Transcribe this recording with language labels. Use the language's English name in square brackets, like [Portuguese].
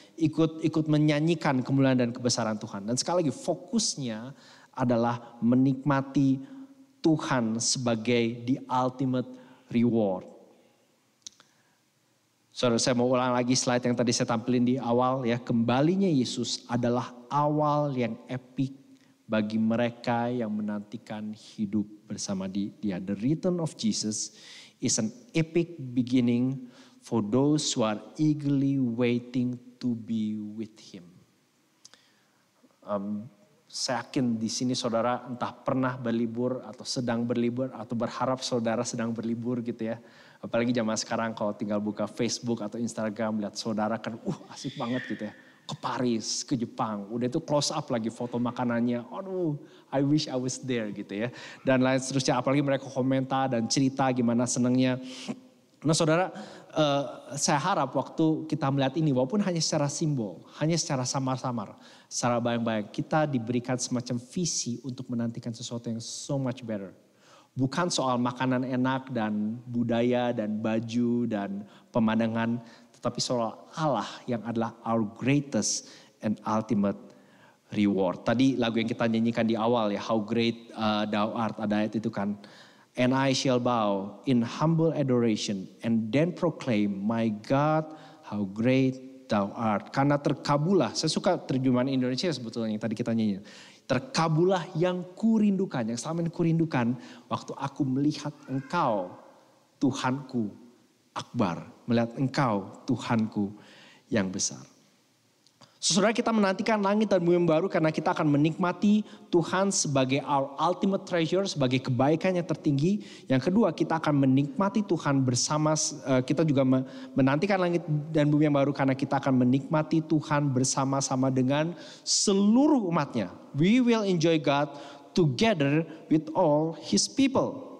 [Indonesian] Ikut menyanyikan kemuliaan dan kebesaran Tuhan. Dan sekali lagi fokusnya adalah menikmati Tuhan sebagai [English] the ultimate reward. [Indonesian] Sorry, saya mau ulang lagi slide yang tadi saya tampilin di awal ya. Kembalinya Yesus adalah awal yang epic bagi mereka yang menantikan hidup bersama dia. [English] The return of Jesus is an epic beginning for those who are eagerly waiting to be with him. [Indonesian] Saya yakin di sini saudara entah pernah berlibur atau sedang berlibur atau berharap saudara sedang berlibur gitu ya. Apalagi zaman sekarang kalau tinggal buka Facebook atau Instagram lihat saudara kan asik banget gitu ya. Ke Paris, ke Jepang, udah itu close up lagi foto makanannya. [English] Aduh, I wish I was there gitu ya. [Indonesian] Dan lain seterusnya, apalagi mereka komentar dan cerita gimana senangnya. Nah saudara, saya harap waktu kita melihat ini, walaupun hanya secara simbol, hanya secara samar-samar, secara bayang-bayang, kita diberikan semacam visi untuk menantikan sesuatu yang [English] so much better. [Indonesian] Bukan soal makanan enak dan budaya dan baju dan pemandangan, tetapi soal Allah yang adalah [English] our greatest and ultimate reward. [Indonesian] Tadi lagu yang kita nyanyikan di awal ya, How Great Thou Art, ada ayat itu kan. [English] And I shall bow in humble adoration and then proclaim, my God, how great thou art. [Indonesian] Karena terkabulah, saya suka terjemahan Indonesia sebetulnya yang tadi kita nyanyi. Terkabulah yang kurindukan, yang selama ini kurindukan waktu aku melihat engkau Tuhanku Akbar. Melihat engkau Tuhanku yang besar. Sesudah kita menantikan langit dan bumi baru karena kita akan menikmati Tuhan sebagai [English] our ultimate treasure, [Indonesian] sebagai kebaikan yang tertinggi. Yang kedua, kita akan menikmati Tuhan bersama, kita juga menantikan langit dan bumi yang baru karena kita akan menikmati Tuhan bersama-sama dengan seluruh umatnya. [English] We will enjoy God together with all his people.